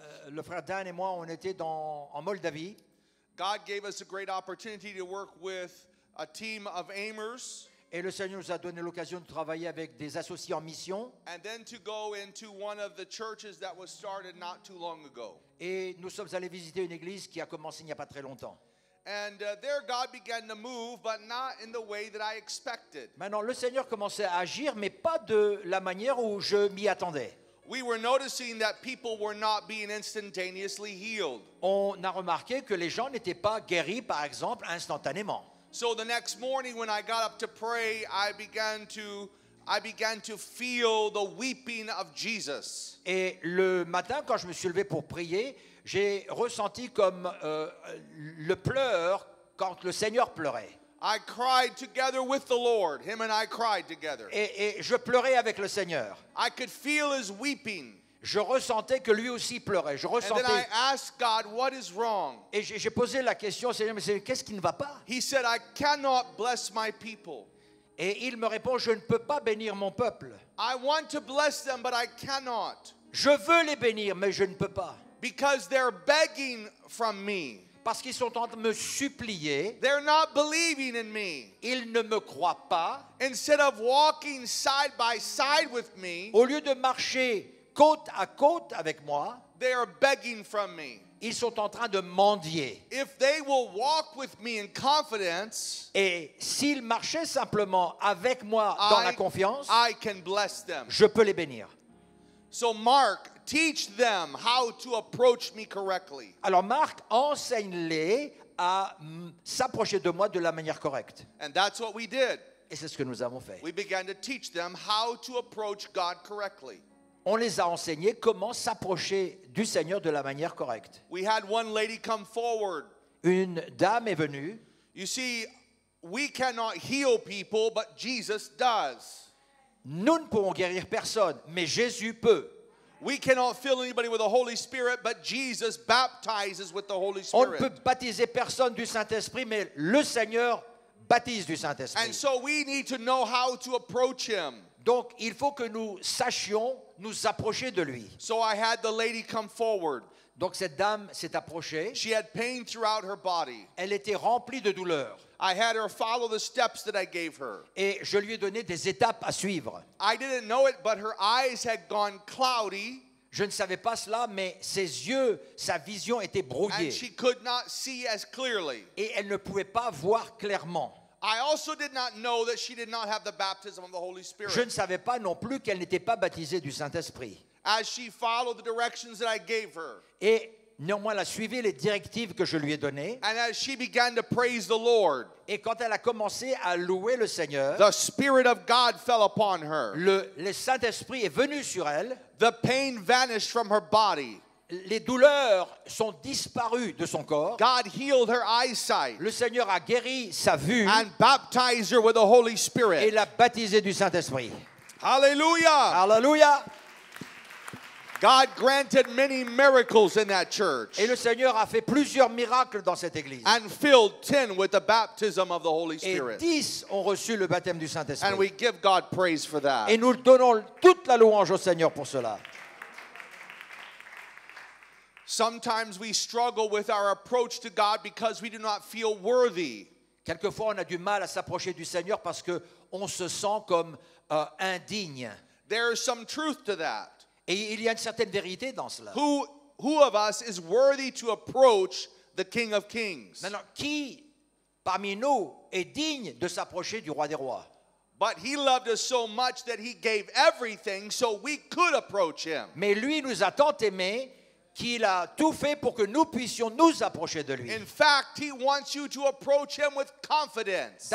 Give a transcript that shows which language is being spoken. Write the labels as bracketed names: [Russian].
[French] Le frère Dan et moi, on était en Moldavie. [English] God gave us a great opportunity to work with a team of aimers. [French] Et le Seigneur nous a donné l'occasion de travailler avec des associés en mission. [English] And then to go into one of the churches that was started not too long ago. [French] Et nous sommes allés visiter une église qui a commencé il n'y a pas très longtemps. [English] And there God began to move, but not in the way that I expected. [French] Maintenant, le Seigneur commençait à agir, mais pas de la manière où je m'y attendais. [English] We were noticing that people were not being instantaneously healed. [French] On a remarqué que les gens n'étaient pas guéris, par exemple, instantanément. [English] So the next morning when I got up to pray, I began to feel the weeping of Jesus. [French] Et le matin, quand je me suis levé pour prier, j'ai ressenti comme le pleur quand le Seigneur pleurait. [English] I cried together with the Lord. Him and I cried together. [French] Et je pleurais avec le Seigneur. [English] I could feel his weeping. [French] Je ressentais que lui aussi pleurait. Je ressentais. [English] And then I asked God, what is wrong? [French] Et j'ai posé la question, Seigneur, mais qu'est-ce qui ne va pas? [English] He said, I cannot bless my people. [French] Et il me répond, je ne peux pas bénir mon peuple. [English] I want to bless them, but I cannot. [French] Je veux les bénir, mais je ne peux pas. [English] Because they're begging from me. [French] Parce qu'ils sont en train de me supplier. [English] They're not believing in me. [French] Ils ne me croient pas. [English] Instead of walking side by side with me, [French] au lieu de marcher côte à côte avec moi, [English] they are begging from me. [French] Ils sont en train de mendier. [English] If they will walk with me in confidence, [French] et s'ils marchaient simplement avec moi dans la confiance, [English] I can bless them. [French] Je peux les bénir. [English] So Mark, teach them how to approach me correctly. [French] Alors Marc, enseigne-les à s'approcher de moi de la manière correcte. [English] And that's what we did. [French] Et c'est ce que nous avons fait. [English] We began to teach them how to approach God correctly. [French] On les a enseignés comment s'approcher du Seigneur de la manière correcte. [English] We had one lady come forward. [French] Une dame est venue. [English] You see, we cannot heal people, but Jesus does. [French] Nous ne pouvons guérir personne, mais Jésus peut. [English] We cannot fill anybody with the Holy Spirit, but Jesus baptizes with the Holy Spirit. [French] On ne peut baptiser personne du Saint-Esprit, mais le Seigneur baptise du Saint-Esprit. [English] And so we need to know how to approach him. [French] Donc il faut que nous sachions nous approcher de lui. [English] So I had the lady come forward. [French] Donc cette dame s'est approchée. [English] She had pain throughout her body. [French] Elle était remplie de douleur. [English] I had her follow the steps that I gave her. [French] Et je lui ai donné des étapes à suivre. [English] I didn't know it, but her eyes had gone cloudy. [French] Je ne savais pas cela, mais ses yeux, sa vision était brouillée. [English] And she could not see as clearly. [French] Et elle ne pouvait pas voir clairement. [English] I also did not know that she did not have the baptism of the Holy Spirit. [French] Je ne savais pas non plus qu'elle n'était pas baptisée du Saint-Esprit. [English] As she followed the directions that I gave her. [French] Et néanmoins, elle a suivi les directives que je lui ai données. [English] And as she began to praise the Lord, [French] et quand elle a commencé à louer le Seigneur, [English] the Spirit of God fell upon her. [French] Le Saint-Esprit est venu sur elle. [English] The pain vanished from her body. [French] Les douleurs sont disparues de son corps. [English] God healed her eyesight. [French] Le Seigneur a guéri sa vue. [English] And baptized her with the Holy Spirit. [French] Et l'a baptisée du Saint-Esprit. [English] Hallelujah. [French] Hallelujah. [English] God granted many miracles in that church. [French] Et le Seigneur a fait plusieurs miracles dans cette église. [English] And filled 10 with the baptism of the Holy Spirit. [French] Et 10 ont reçu le baptême du Saint-Esprit. [English] And we give God praise for that. [French] Et nous donnons toute la louange au Seigneur pour cela. [English] Sometimes we struggle with our approach to God because we do not feel worthy. [French] Quelquefois on a du mal à s'approcher du Seigneur parce que on se sent comme indigne. [English] There is some truth to that. [French] Et il y a une certaine vérité dans cela. [English] Who of us is worthy to approach the King of Kings? [French] Maintenant, qui parmi nous est digne de s'approcher du Roi des Rois? [English] But he loved us so much that he gave everything so we could approach him. [French] Mais lui nous a tant aimés qu'il a tout fait pour que nous puissions nous approcher de lui. [English] In fact, he wants you to approach him with confidence.